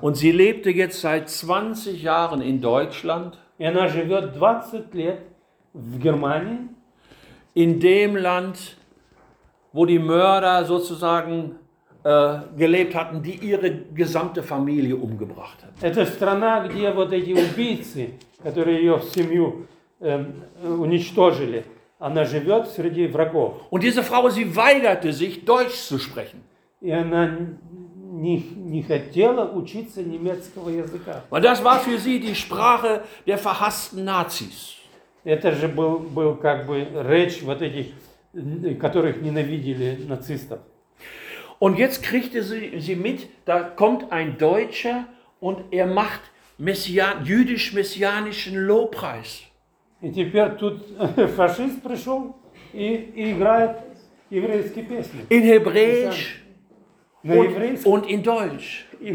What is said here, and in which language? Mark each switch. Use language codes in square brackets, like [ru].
[de] Und sie lebte jetzt seit 20 Jahren in Deutschland. [ru] И она живет 20 лет в Германии. [de] In dem Land, wo die Mörder sozusagen gelebt hatten, die ihre gesamte Familie umgebracht hat. [ru] Это страна, где вот эти убийцы, которые ее семью уничтожили. Она живет среди врагов. [de] Und diese Frau, sie weigerte sich, Deutsch zu sprechen. [ru] И она не хотела учиться немецкого языка. [de] Weil das war für sie die Sprache der verhassten Nazis. [ru] Это же был как бы речь вот этих, которых ненавидели нацистов. [de] Und jetzt kriegte sie mit, da kommt ein Deutscher und er macht jüdisch-messianischen Lobpreis. [ru] И теперь тут фашист пришел и играет еврейские песни. [de] In Hebräisch und in Deutsch.